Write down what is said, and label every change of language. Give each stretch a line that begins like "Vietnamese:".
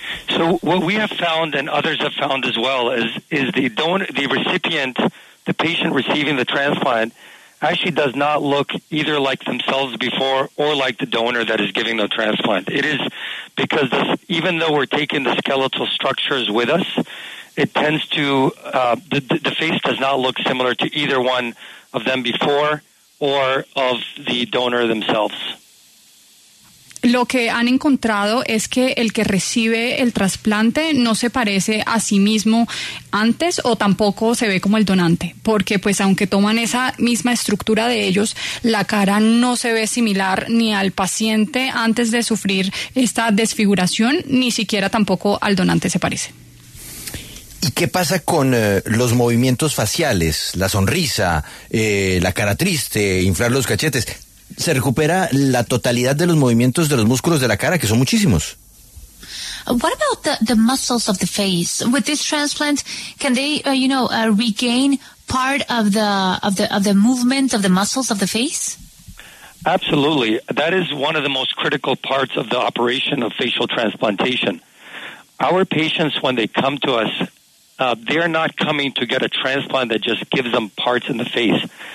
English: So what we have found and others have found as well is the donor, the recipient, the patient receiving the transplant, actually does not look either like themselves before or like the donor that is giving the transplant. It is because even though we're taking the skeletal structures with us, it tends to, the face does not look similar to either one of them before or of the donor themselves.
Spanish: Lo que han encontrado es que el que recibe el trasplante no se parece a sí mismo antes o tampoco se ve como el donante, porque pues aunque toman esa misma estructura de ellos, la cara no se ve similar ni al paciente antes de sufrir esta desfiguración, ni siquiera tampoco al donante se parece. ¿Y qué pasa con los movimientos faciales, la sonrisa, la cara triste, inflar los cachetes? ¿Se recupera la totalidad de los movimientos de los músculos de la cara, que son muchísimos?
English: What about the muscles of the face? With this transplant, can they, regain part of the movement of the muscles of the face? Absolutely. That is one of the most critical parts of the operation of facial transplantation. Our patients, when they come to us, they're not coming to get a transplant that just gives them parts in the face.